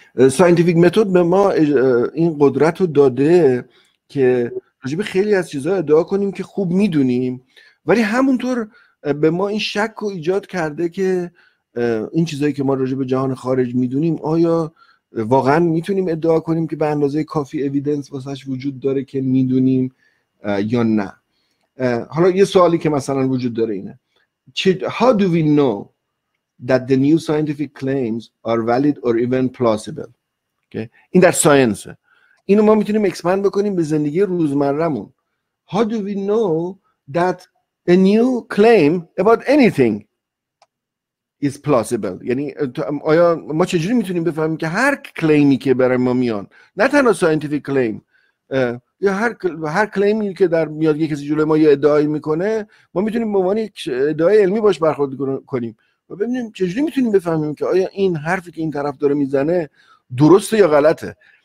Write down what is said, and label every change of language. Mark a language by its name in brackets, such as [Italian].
[Persian] ساینتیفیک متد به ما این قدرت رو داده که راجبه خیلی از چیزها ادعا کنیم که خوب میدونیم، ولی همونطور به ما این شک رو ایجاد کرده که این چیزایی که ما راجع به جهان خارج میدونیم آیا واقعا میتونیم ادعا کنیم که به اندازه کافی اویدنس واسهش وجود داره که میدونیم یا نه. حالا یه سوالی که مثلا وجود داره اینه: [English] How do we know that the new scientific claims are valid or even plausible؟ okay. [Persian] این در ساینسه. اینو ما میتونیم اکسپند بکنیم به زندگی روزمرمون. [English] How do we know that a new claim about anything is plausible؟ [Persian] یعنی آیا ما چجوری میتونیم بفهمیم که هر کلیمی که برای ما میان، نه تنها ساینتیفیک کلیم، یا هر کلیمی که در میاد یکی کسی جلوی ما یه ادعایی میکنه، ما میتونیم به عنوان یک ادعای علمی باش برخورد کنیم و ببینیم چجوری میتونیم بفهمیم که آیا این حرفی که این طرف داره میزنه درسته یا غلطه.